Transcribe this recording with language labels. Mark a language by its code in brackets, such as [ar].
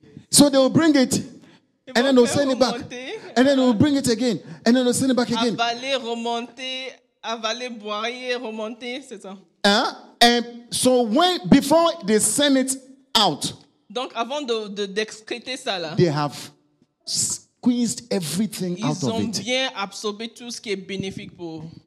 [en] So they will bring it and then they'll send it back and then they'll bring it again and then they'll send it back again. [fr] Avaler, remonter, avaler, boire, remonter, c'est ça. Hein? [en] And so when before they send it out, [fr] donc avant de d'excréter ça là, [en] they have squeezed everything out of it. [fr] Ils ont bien absorbé tout ce qui est bénéfique pour.